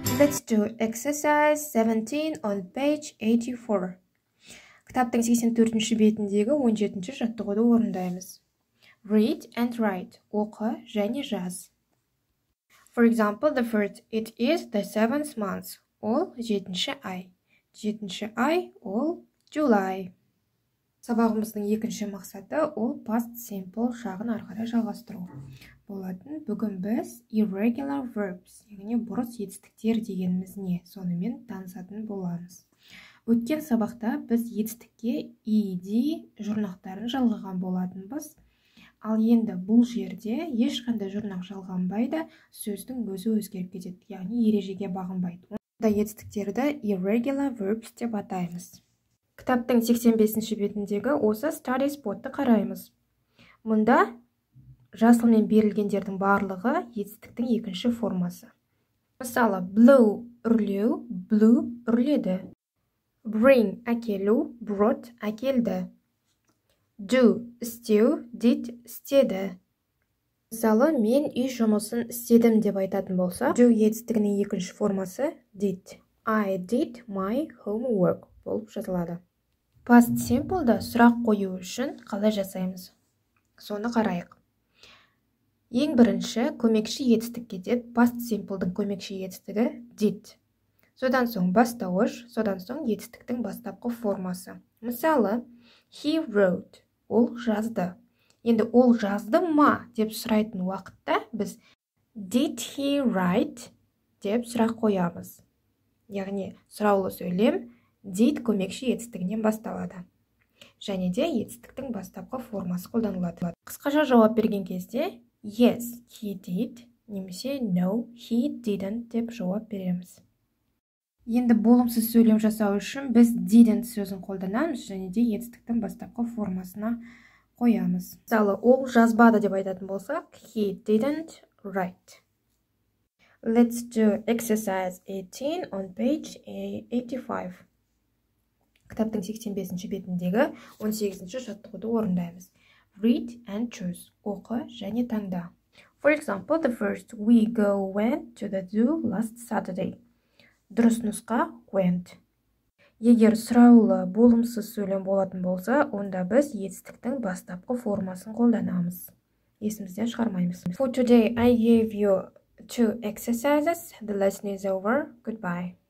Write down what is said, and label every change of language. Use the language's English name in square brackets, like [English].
[English] Let's do exercise 17 on page 84. [Kazakh] Кітаптың 84-ші бетіндегі 17-ші жаттығуды орындаймыз. [English] Read and write. [Kazakh] Оқы және жаз. [English] For example, the first, it is the 7th month. [Kazakh] Ол 7-ші ай. 7-ші ай, ол [English] July. [Kazakh] Сабағымыздың екінші мақсаты ол past simple шағын арқара жалғастыру болатын. Бүгін біз irregular verbs, яғни бұрыс етістіктер дегеніміз не, сонымен танысатын боламыз. Өткен сабақта біз етістікке ed жұрнақтарын жалғаған болатынбыз. Ал енді бұл жерде ешқандай жұрнақ жалғанбайды, сөздің өзі өзгеріп кетеді, яғни ережеге бағынбайды. Онда етістіктерді irregular verbs деп атаймыз. Кітаптың 85-ші бетіндегі осы study spot-ты қараймыз. Мұнда жасылмен берілгендердің барлығы етістіктің екінші формасы. Мысалы, blow үрлеу, blew үрледі. Bring әкелу, brought әкелді. Do істеу, did істеді. Мысалы, мен үй жұмысын істедім деп айтатын болса, do етістігінің екінші формасы did. [English] I did my homework болып жазылады. [Kazakh] Past simple-да сұрақ қою үшін қалай жасаймыз? Соны қарайық. Ең бірінші көмекші етістік кетеді. Past simple-дің көмекші етістігі did. Содан соң бастауыш, содан соң етістіктің бастапқы формасы. [English] Мысалы, he wrote. [Kazakh] Ол жазды. Енді ол жазды ма деп сұрайтын уақытта біз [English] did he write [Kazakh] деп сұрақ қоямыз. Яғни сұраулы сөйлем. Did көмекші етістігінен басталады. Және де етістіктің бастапқы формасы қолданылады. Қысқаша жауап берген кезде [English] yes, he did, [Kazakh] немесе [English] no, he didn't [Kazakh] деп жауап береміз. Енді болымсыз сөйлем жасау үшін біз didn't сөзін қолданамыз, және де етістіктің бастапқы формасына қоямыз. Мысалы, ол жазбады деп айтатын болсақ, [English] he didn't write. Let's do exercise 18 on page 85. [Kazakh] Кітаптың 85-ші бетіндегі 18-ші жаттығуды орындаймыз. [English] Read and choose. [Kazakh] Оқы және таңда. [English] For example, the first, we go went to the zoo last Saturday. [Kazakh] Дұрыс нұсқа went. Егер сұраулы болымсыз сөйлем болатын болса, онда біз етістіктің бастапқы формасын қолданамыз. Есімізден шығармаймыз. [English] For today, I gave you two exercises. The lesson is over. Goodbye.